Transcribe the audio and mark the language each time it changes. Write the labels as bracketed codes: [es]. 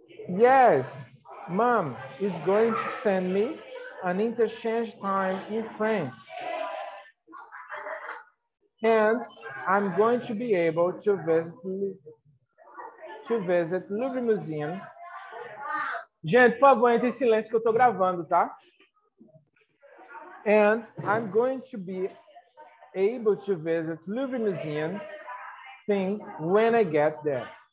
[en] Yes, mom is going to send me an interchange time in France. And I'm going to be able to visit Louvre Museum. [pt] Gente, por favor, entre em silêncio que eu tô gravando, tá? [en] And I'm going to be able to visit Louvre Museum thing when I get there.